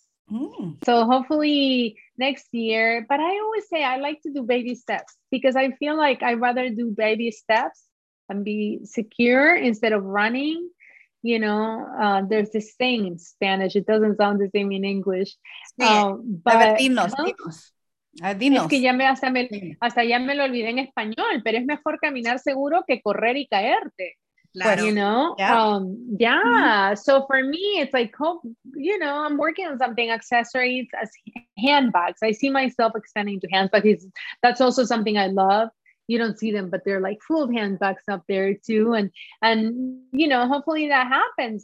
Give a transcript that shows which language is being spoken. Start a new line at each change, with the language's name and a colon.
English: So hopefully next year, but I always say I like to do baby steps, because I feel like I'd rather do baby steps and be secure instead of running. You know, there's this saying in Spanish, it doesn't sound the same in English.
Spanish: Dinos. Es que ya me hasta ya me lo olvidé en español, pero es mejor caminar seguro que correr y caerte. Claro.
English: You know, So for me, it's like, hope, you know, I'm working on something, accessories as handbags. I see myself expanding to handbags. That's also something I love. You don't see them, but they're like full of handbags up there too. And you know, hopefully that happens.